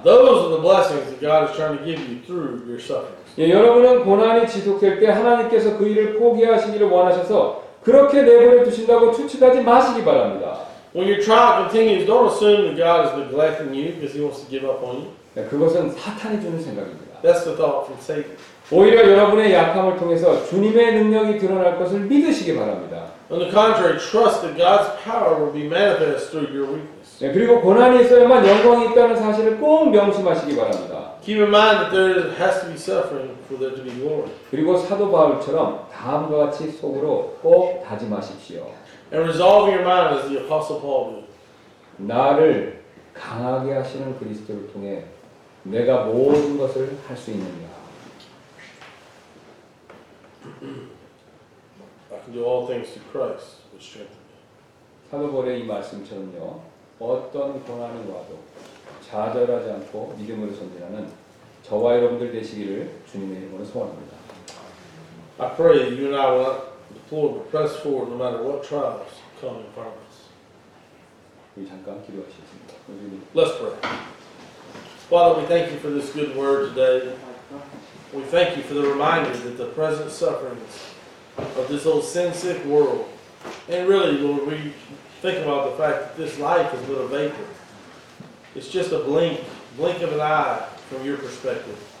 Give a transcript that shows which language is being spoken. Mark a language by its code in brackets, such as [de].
[en] Those are the blessings that God is trying to give you through your sufferings. [ko] 예, 여러분은 고난이 지속될 때 하나님께서 그 일을 포기하시기를 원하셔서 그렇게 내버려 두신다고 추측하지 마시기 바랍니다. [en] When your trial continues, don't assume that God is neglecting you because He wants to give up on you. [ko] 네, 그것은 사탄이 주는 생각입니다. [en] That's the thought from Satan. [ko] 오히려 여러분의 약함을 통해서 주님의 능력이 드러날 것을 믿으시기 바랍니다. [en] On the contrary, trust that God's power will be manifest through your weakness. [ko] 네, 그리고 고난이 있어야만 영광이 있다는 사실을 꼭 명심하시기 바랍니다. [en] Keep in mind that there has to be suffering for there to be glory. [ko] 그리고 사도 바울처럼 다음과 같이 속으로 꼭 다짐하십시오. [en] And resolve your mind as the Apostle Paul did. [ko] 나를 강하게 하시는 그리스도를 통해 내가 모든 것을 할 수 있느냐. [en] I can do all things through Christ, which strengthens me. [ko] 사도 바울의 이 말씀처럼요, 어떤 고난이 와도 좌절하지 않고 믿음으로 전진하는 저와 여러분들 되시기를 주님의 이름으로 소원합니다. [en] I pray that you and I will deploy to press forward no matter what trials come in front of us. [ko] 우리 잠깐 기도하시겠습니다. [en] Let's pray. Father, we thank you for this good word today. We thank you for the reminder that the present sufferings of this old sin-sick world, and really, Lord, we think about the fact that this life is but a vapor. It's just a blink of an eye from your perspective.